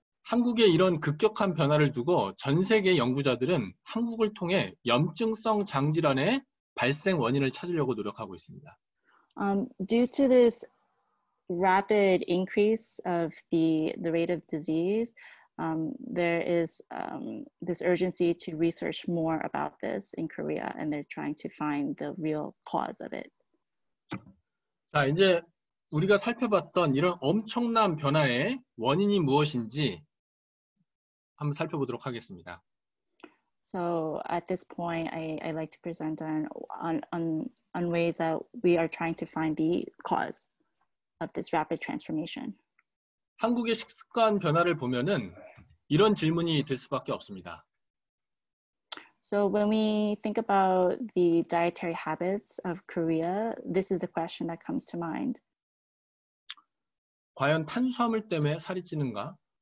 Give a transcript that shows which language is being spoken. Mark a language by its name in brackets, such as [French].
[Korean] 한국에 이런 급격한 변화를 두고 전 세계 연구자들은 한국을 통해 염증성 장질환의 발생 원인을 찾으려고 노력하고 있습니다. [English] Due to this rapid increase of the rate of disease, there is this urgency to research more about this in Korea, and they're trying to find the real cause of it. [Korean] 자, 이제 우리가 살펴봤던 이런 엄청난 변화의 원인이 무엇인지 한번 살펴보도록 하겠습니다. [English] So at this point, I like to present on ways that we are trying to find the cause of this rapid transformation. [Korean] 한국의 식습관 변화를 보면은 이런 질문이 될 수밖에 없습니다. [English] So when we think about the dietary habits of Korea, this is the question that comes to mind. [Korean] 과연 탄수화물 때문에 살이 찌는가?